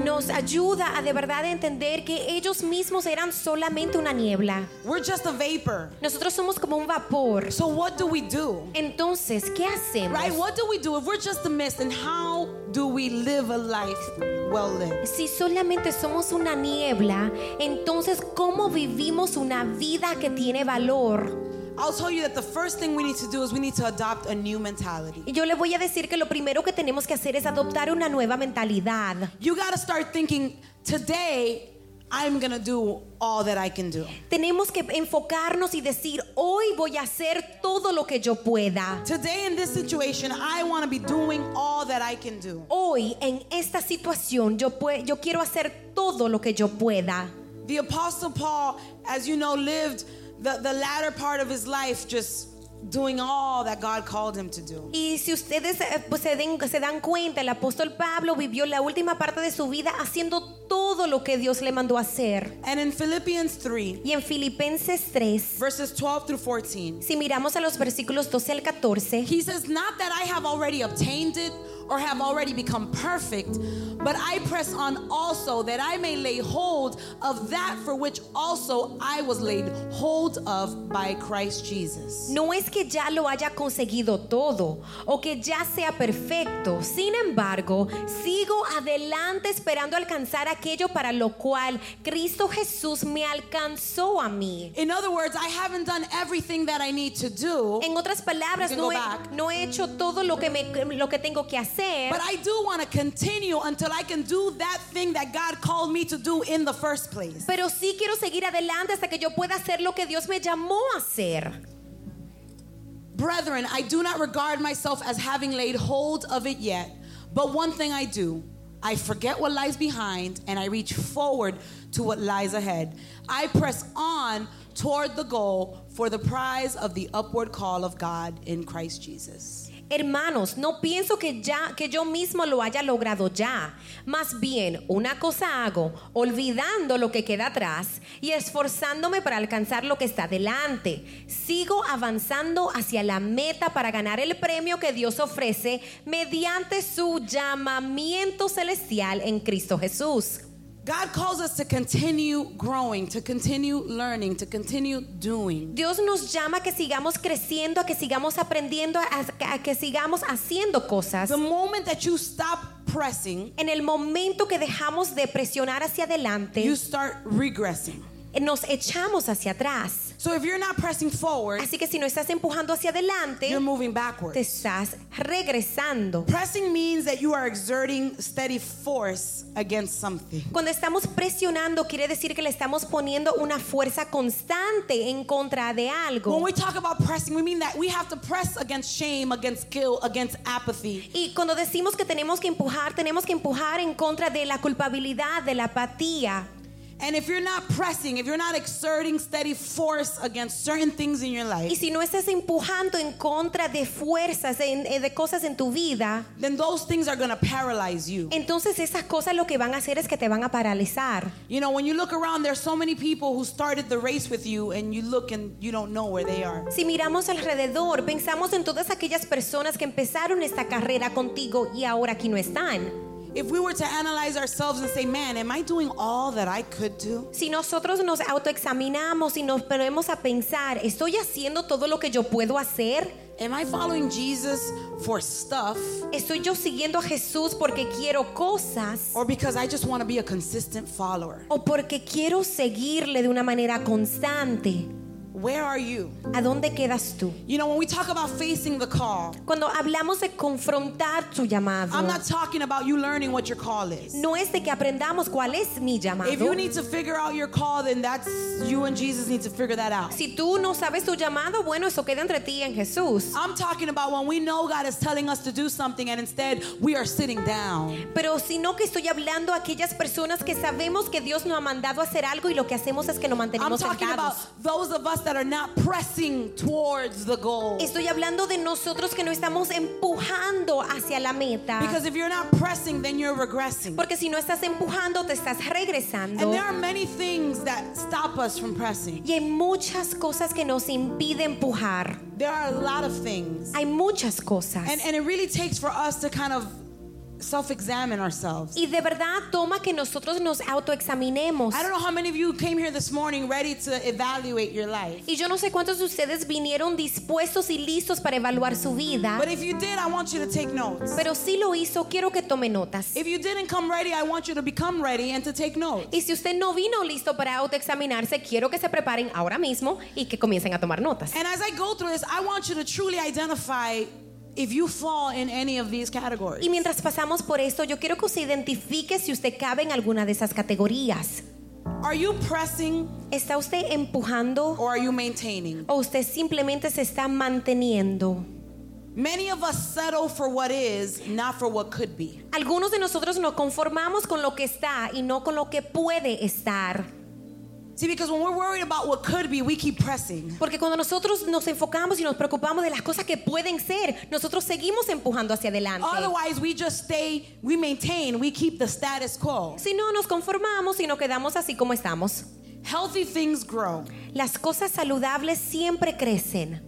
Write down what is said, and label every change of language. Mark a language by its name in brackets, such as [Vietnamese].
[Spanish] Nos ayuda a de verdad entender que ellos mismos eran solamente una niebla. [English] We're just a vapor. [Spanish] Nosotros somos como un vapor. [English] So what do we do? [Spanish] Entonces, ¿qué hacemos? [English] Right, what do we do if we're just a mist, and how do we live a life well lived? [Spanish] Si solamente somos una niebla, entonces ¿cómo vivimos una vida que tiene valor? [English] I'll tell you that the first thing we need to do is we need to adopt a new mentality. [Spanish] Yo le voy a decir que lo primero que tenemos que hacer es adoptar una nueva mentalidad. [English] You got to start thinking, today I'm going to do all that I can do. [Spanish] Tenemos que enfocarnos y decir, hoy voy a hacer todo lo que yo pueda. [English] Today in this situation I want to be doing all that I can do. [Spanish] Hoy en esta situación yo quiero hacer todo lo que yo pueda. [English] The Apostle Paul, as you know, lived the latter part of his life just doing all that God called him to do. [Spanish] Y si ustedes se dan cuenta, el apóstol Pablo vivió la última parte de su vida haciendo todo lo que Dios le mandó hacer. [English] And in Philippians 3, [Spanish] y en Filipenses 3, [English] verses 12 through 14, [Spanish] si miramos a los versículos 12 al 14, [English] he says, "Not that I have already obtained it or have already become perfect, but I press on also that I may lay hold of that for which also I was laid hold of by Christ Jesus." [Spanish] No es que ya lo haya conseguido todo o que ya sea perfecto. Sin embargo, sigo adelante esperando alcanzar aquello para lo cual Cristo Jesús me alcanzó a mí. [English] In other words, I haven't done everything that I need to do. [Spanish] En otras palabras, no he hecho todo lo que tengo que hacer. [English] But I do want to continue until I can do that thing that God called me to do in the first place. [Spanish] Pero sí quiero seguir adelante hasta que yo pueda hacer lo que Dios me llamó a hacer. [English] Brethren, I do not regard myself as having laid hold of it yet, but one thing I do, I forget what lies behind and I reach forward to what lies ahead. I press on toward the goal for the prize of the upward call of God in Christ Jesus. [Spanish] Hermanos, no pienso que yo mismo lo haya logrado ya. Más bien, una cosa hago, olvidando lo que queda atrás y esforzándome para alcanzar lo que está delante. Sigo avanzando hacia la meta para ganar el premio que Dios ofrece mediante su llamamiento celestial en Cristo Jesús. [English] God calls us to continue growing, to continue learning, to continue doing. [Spanish] Dios nos llama a que sigamos creciendo, a que sigamos aprendiendo, a que sigamos haciendo cosas. [English] The moment that you stop pressing, [Spanish] en el momento que dejamos de presionar hacia adelante, [English] you start regressing. [Spanish] Nos echamos hacia atrás. [English] So if you're not pressing forward, [Spanish] así que si no estás empujando hacia adelante, [English] you're moving backwards. [Spanish] Te estás regresando. [English] Pressing means that you are exerting steady force against something. [Spanish] Cuando estamos presionando, quiere decir que le estamos poniendo una fuerza constante en contra de algo. [English] When we talk about pressing, we mean that we have to press against shame, against guilt, against apathy. [Spanish] Y cuando decimos que tenemos que empujar en contra de la culpabilidad, de la apatía. [English] And if you're not pressing, if you're not exerting steady force against certain things in your life, [Spanish] y si no estás empujando en contra de fuerzas de cosas en tu vida, [English] then those things are going to paralyze you. [Spanish] Entonces esas cosas lo que van a hacer es que te van a paralizar. [English] You know, when you look around, there are so many people who started the race with you, and you look and you don't know where they are. [Spanish] Si miramos alrededor, pensamos en todas aquellas personas que empezaron esta carrera contigo y ahora aquí no están. [English] If we were to analyze ourselves and say, "Man, am I doing all that I could do?" [Spanish] Si nosotros nos autoexaminamos y nos ponemos a pensar, ¿estoy haciendo todo lo que yo puedo hacer? [English] Am I following Jesus for stuff? [Spanish] ¿Estoy yo siguiendo a Jesús porque quiero cosas? [English] Or because I just want to be a consistent follower? [Spanish] ¿O porque quiero seguirle de una manera constante? [English] Where are you? [Spanish] ¿A dónde quedas tú? [English] You know, when we talk about facing the call, [Spanish] cuando hablamos de confrontar tu llamado, [English] I'm not talking about you learning what your call is. [Spanish] No es de que aprendamos cuál es mi llamado. [English] If you need to figure out your call, then that's you and Jesus need to figure that out. [Spanish] Si tú no sabes tu llamado, bueno, eso queda entre ti y en Jesús. [English] I'm talking about when we know God is telling us to do something and instead we are sitting down. [Spanish] Pero sino que estoy hablando a aquellas personas que sabemos que Dios nos ha mandado a hacer algo y lo que hacemos es que nos mantenemos sentados. [English] I'm talking about those of us that are not pressing towards the goal. [Spanish] Estoy hablando de nosotros que no estamos empujando hacia la meta. [English] Because if you're not pressing, then you're regressing. [Spanish] Porque si no estás empujando, te estás regresando. [English] And there are many things that stop us from pressing. [Spanish] Y hay muchas cosas que nos impiden empujar. [English] There are a lot of things. [Spanish] Hay muchas cosas. [English] And it really takes for us to kind of self-examine ourselves. [Spanish] Y de verdad toma que nosotros nos autoexaminemos. [English] I don't know how many of you came here this morning ready to evaluate your life. [Spanish] Y yo no sé cuántos de ustedes vinieron dispuestos y listos para evaluar su vida. [English] But if you did, I want you to take notes. [Spanish] Pero si lo hizo, quiero que tome notas. [English] If you didn't come ready, I want you to become ready and to take notes. [Spanish] Y si usted no vino listo para autoexaminarse, quiero que se preparen ahora mismo y que comiencen a tomar notas. [English] And as I go through this, I want you to truly identify if you fall in any of these categories. [Spanish] Y mientras pasamos por esto, yo quiero que usted identifique si usted cabe en alguna de esas categorías. [English] Are you pressing? [Spanish] ¿Está usted empujando? [English] Or are you maintaining? [Spanish] ¿O usted simplemente se está manteniendo? [English] Many of us settle for what is, not for what could be. [Spanish] Algunos de nosotros nos conformamos con lo que está y no con lo que puede estar. [English] See, because when we're worried about what could be, we keep pressing. [Spanish] Porque cuando nosotros nos enfocamos y nos preocupamos de las cosas que pueden ser, nosotros seguimos empujando hacia adelante. [English] Otherwise, we just stay, we maintain, we keep the status quo. [Spanish] Si no, nos conformamos y nos quedamos así como estamos. [English] Healthy things grow. [Spanish] Las cosas saludables siempre crecen.